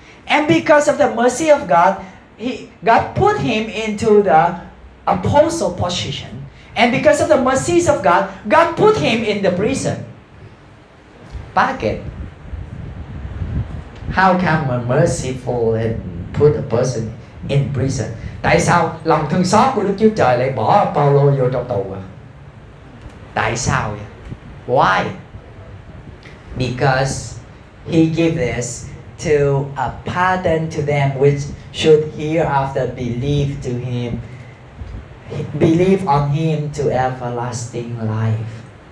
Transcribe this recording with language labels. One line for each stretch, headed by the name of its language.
English: And because of the mercy of God, God put him into the apostle position. And because of the mercies of God, God put him in the prison. Bucket. How come a merciful and put a person in prison?
Vietnamese: Tại sao lòng thương xót của Đức Chúa Trời lại bỏ Paulo vô trong tù à? Tại sao vậy?
English: Why? Because he gave this to a pardon to them which should hereafter believe to him believe on him to everlasting life.